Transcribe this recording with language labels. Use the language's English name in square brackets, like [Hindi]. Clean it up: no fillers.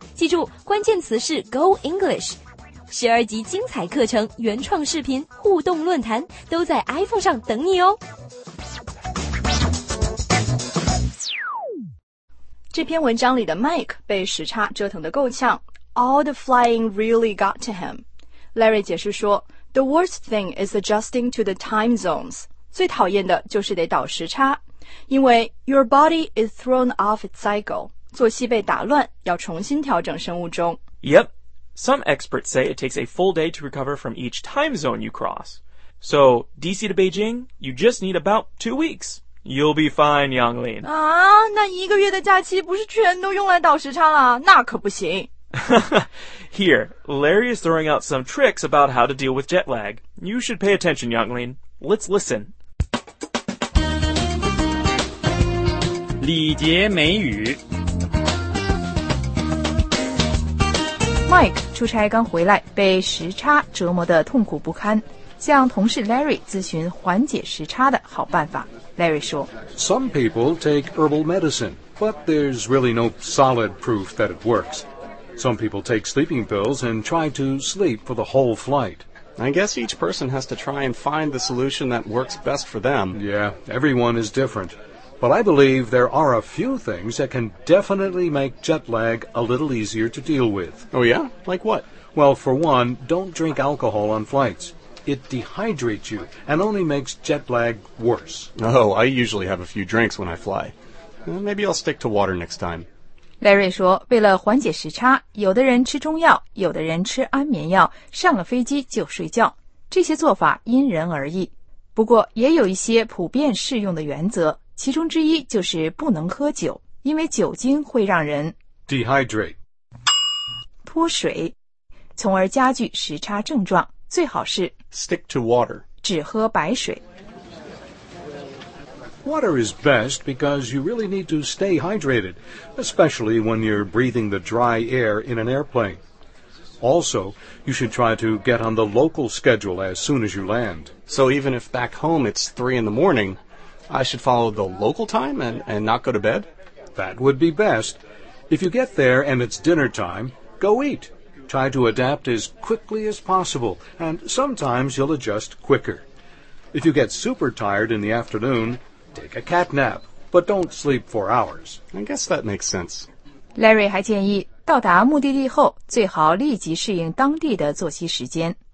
[Chinese] 记住，关键词是 Go English。十二集精彩课程、原创视频、互动论坛都在 iPhone 上等你哦。这篇文章里的 Mike 被时差折腾得够呛。 [English] All the flying really got to him. Larry 解释说， The worst thing is adjusting to the time zones. [Chinese] 最讨厌的就是得倒时差，因为 your body is thrown off its cycle. 作息被打乱，要重新调整生物钟。 [English] Yep. Some experts say it takes a full day to recover from each time zone you cross. So, DC to Beijing, you just need about 2 weeks. You'll be fine, Yanglin. [Chinese] 啊，那一个月的假期不是全都用来倒时差了？那可不行。 [English] Here, Larry is throwing out some tricks about how to deal with jet lag. You should pay attention, Yanglin. Let's listen. [Chinese] 礼节美语 Mike 出差刚回来，被时差折磨得痛苦不堪，向同事 Larry 咨询缓解时差的好办法。 Larry 说， [English] Some people take herbal medicine, but there's really no solid proof that it works. Some people take sleeping pills and try to sleep for the whole flight. I guess each person has to try and find the solution that works best for them. Yeah, everyone is different. But I believe there are a few things that can definitely make jet lag a little easier to deal with. Oh yeah? Like what? Well, for one, don't drink alcohol on flights. It dehydrates you and only makes jet lag worse. Oh, I usually have a few drinks when I fly. Maybe I'll stick to water next time. [Chinese] Larry 说，为了缓解时差，有的人吃中药，有的人吃安眠药，上了飞机就睡觉。这些做法因人而异。不过也有一些普遍适用的原则。其中之一就是不能喝酒，因为酒精会让人 [English] dehydrate [Chinese] 脱水，从而加剧时差症状。最好是 [English] stick to water， [Chinese] 只喝白水。 [English] Water is best because you really need to stay hydrated, especially when you're breathing the dry air in an airplane. Also, you should try to get on the local schedule as soon as you land. So even if back home it's 3 a.m.,I should follow the local time and not go to bed? That would be best. If you get there and it's dinner time, go eat. Try to adapt as quickly as possible, and sometimes you'll adjust quicker. If you get super tired in the afternoon, take a cat nap, but don't sleep for hours. I guess that makes sense. [Chinese] Larry 还建议，到达目的地后，最好立即适应当地的作息时间。